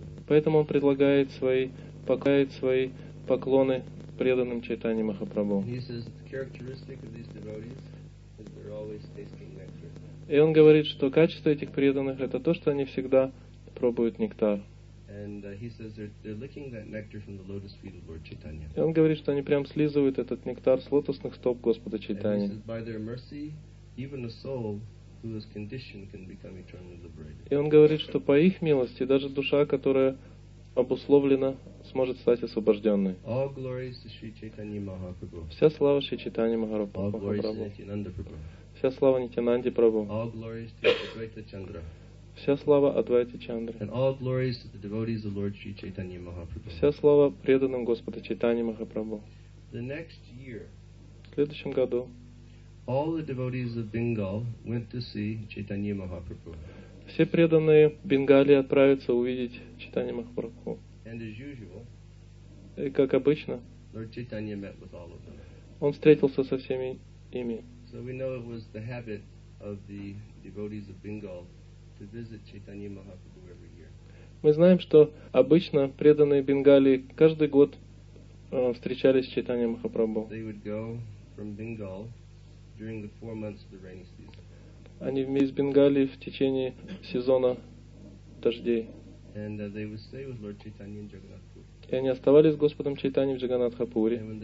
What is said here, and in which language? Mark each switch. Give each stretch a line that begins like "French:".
Russian: Поэтому он предлагает свои поклоны преданным Чайтанье Махапрабху.
English: He says the characteristic of these devotees is they're always tasting nectar.
Russian: И он говорит, что качество этих преданных — это то, что они всегда пробуют нектар.
English: And, he says they're licking that nectar from the lotus feet of Lord Chaitanya.
Russian: И он говорит, что они прям слизывают этот нектар с лотосных стоп Господа Чайтаньи.
English: And he says by their mercy, even a soul who is conditioned can become eternally liberated.
Russian: И он говорит, что по их милости даже душа, которая обусловлена, сможет стать освобожденной.
English: All glories to Sri Chaitanya Mahaprabhu.
Russian: Вся слава Шри Чайтанье Махапрабху.
English: All glories to Nityananda Prabhu.
Russian: Вся слава Нитянанде Прабху.
English: All glories to Advaita Chandra.
Russian: Вся слава Адвайте Чандре.
English: And all glories to the devotees of Lord Sri Chaitanya Mahaprabhu.
Russian: Вся слава преданным Господа Чайтанье Махапрабху.
English: The next year,
Russian: в следующем году,
English: all the devotees of Bengal went to see Chaitanya Mahaprabhu.
Russian: Все преданные Бенгалии отправятся увидеть Чайтанье Махапрабху.
English: And as usual,
Russian: и как обычно,
English: Lord Chaitanya met with all of them.
Russian: Он встретился со всеми ими.
English: So we know it was the habit of the devotees of Bengal to visit Chaitanya Mahaprabhu every year.
Russian: Мы знаем, что обычно преданные Бенгалии каждый год встречались с Чайтанья Махапрабху.
English: They would go from Bengal during the 4 months of the rainy season.
Russian: Они из Бенгалии в течение сезона дождей.
English: And they would stay with Lord Chaitanya in Jagannathpur.
Russian: И они оставались с Господом Чайтаньей в Джаганатхапуре.